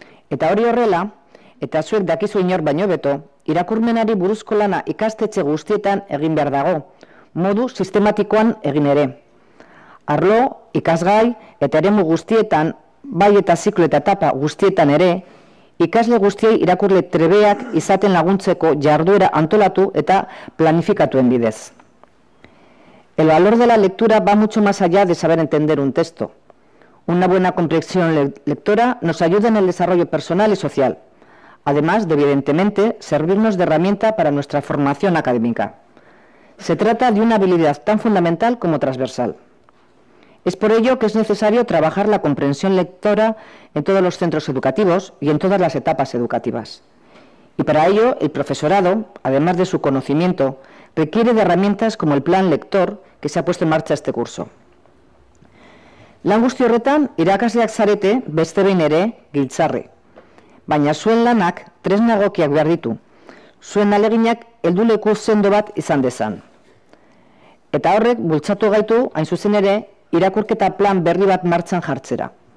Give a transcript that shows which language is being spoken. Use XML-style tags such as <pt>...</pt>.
<eu>Eta hori horrela, eta zuek dakizu inor baino beto, irakurmenari buruzko lana ikastetxe guztietan egin behar dago, modu sistematikoan egin ere. Arlo, ikasgai eta eremu guztietan, bai eta ziklo eta etapa guztietan ere, ikasle guztiei irakurle trebeak izaten laguntzeko jarduera antolatu eta planifikatuen bidez.</eu> <es>El valor de la lectura va mucho más allá de saber entender un texto. Una buena comprensión lectora nos ayuda en el desarrollo personal y social, además de, evidentemente, servirnos de herramienta para nuestra formación académica. Se trata de una habilidad tan fundamental como transversal. Es por ello que es necesario trabajar la comprensión lectora en todos los centros educativos y en todas las etapas educativas. Y para ello, el profesorado, además de su conocimiento, requiere de herramientas como el plan lector que se ha puesto en marcha este curso.</es> <eu>Lan guzti horretan, irakasleak zarete beste behin ere giltzarri. Baina zuen lanak tresna egokiak behar ditu, zuen aleginak helduleku sendo bat izan dezan. Eta horrek bultzatu gaitu, hain zuzen ere, irakurketa plan berri bat martxan jartzera.</eu>